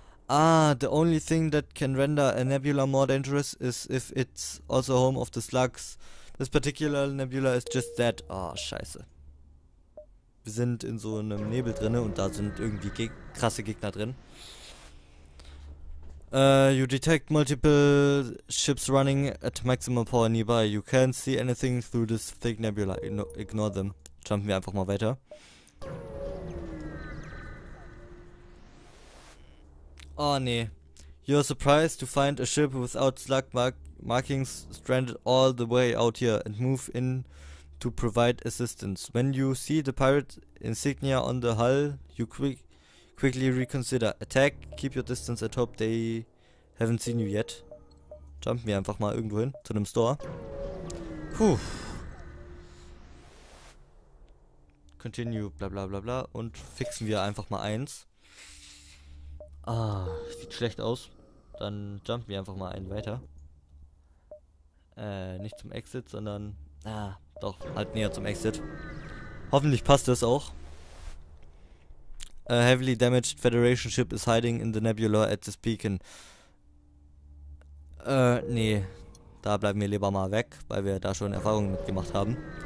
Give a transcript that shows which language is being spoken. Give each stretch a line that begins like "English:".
English: Ah, the only thing that can render a nebula more dangerous is if it's also home of the slugs. This particular nebula is just that.
German: Oh, scheiße. Wir sind in so einem Nebel drinne und da sind irgendwie ge krasse Gegner drin.
English: You detect multiple ships running at maximum power nearby. You can't see anything through this thick nebula. Ignore them.
German: Jumpen wir einfach mal weiter. Oh nee.
English: You're surprised to find a ship without slug markings stranded all the way out here and move in to provide assistance. When you see the pirate insignia on the hull, you quickly reconsider. Attack, keep your distance and hope they haven't seen you yet.
German: Jumpen wir einfach mal irgendwo hin, zu einem Store. Puh. Continue, bla bla bla bla. Und fixen wir einfach mal eins. Ah, sieht schlecht aus. Dann jumpen wir einfach mal einen weiter. Nicht zum Exit, sondern. Ah, doch, halt näher zum Exit. Hoffentlich passt das auch.
English: A heavily damaged Federation ship is hiding in the nebula at this beacon.
German: Nee. Da bleiben wir lieber mal weg, weil wir da schon Erfahrungen mitgemacht haben.